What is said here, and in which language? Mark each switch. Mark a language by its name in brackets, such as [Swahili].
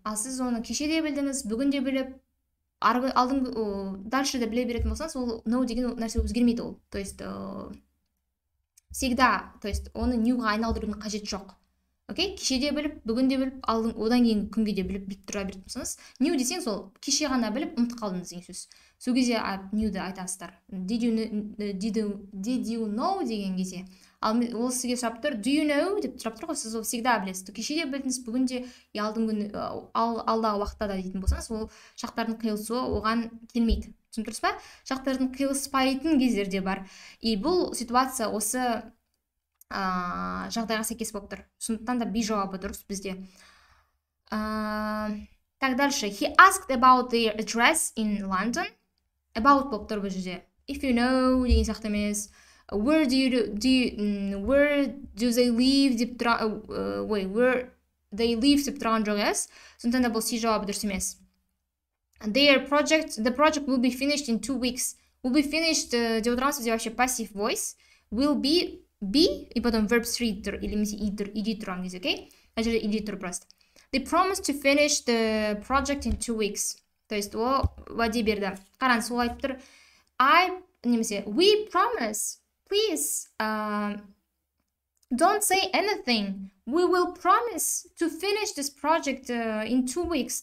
[Kazakh] Ал сіз оны кеше де білдіңіз, бүгін де біліп, [Russian] дальше [Kazakh] де біле беретін болсаңыз, ол ноу деген нәрсе өзгермейді ол. [Russian] То есть, всегда, то есть, [Kazakh] оны ньюға айналдырудың қажет жоқ. Окей, okay? Кеше де біліп, бүгін де біліп, алдың, одан кейін күнге де біліп, бүйтіп тұра беретін болсаңыз, new десеңіз ол кеше ғана біліп, ұмытып қалдыңыз деген сөз. Сол кезде new-ді айтасыздар. [English] Did you know [Kazakh] деген кезде. Ал ол сізге сұрап тұр, [English] do you know [Kazakh] деп сұрап тұр ғой, сіз ол [Russian] всегда [Kazakh] білесіз. Кеше де білдіңіз, бүгін де, алдың күні, алдағы уақытта да дейтін болсаңыз, ол шақтардың қиылысуы оған келмейді. Түсініп тұрсыз ба? Шақтардың қиылыспайтын кездер де бар. И бұл ситуация осы жағдайға сәйкес болып тұр. Сондықтан да би жауабы дұрыс бізде. [Russian] Так, дальше. [English] He asked about the address in London. [Kazakh] About болып тұр бұл жерде. [English] If you know [Kazakh] деген сияқты емес. [English] Where do they live [Kazakh] деп тұрған жоқ емес. Сондықтан да бұл си жауабы дұрыс емес. [English] The project will be finished in 2 weeks. Will be finished [Kazakh] деп отырамыз бізде [Russian] вообще [English] passive voice. Will be be [Russian] и потом [Kazakh] verb 3 тұр, или немесе и тұр, иди тұрған кезде, окей? Ал жерде иди тұр просто. [English] They promised to finish the project in 2 weeks. [Kazakh] То есть, ол уәде берді. Қараңыз, ол айтып тұр. [English] I, немесе, we promise, please, don't say anything. We will promise to finish this project in 2 weeks.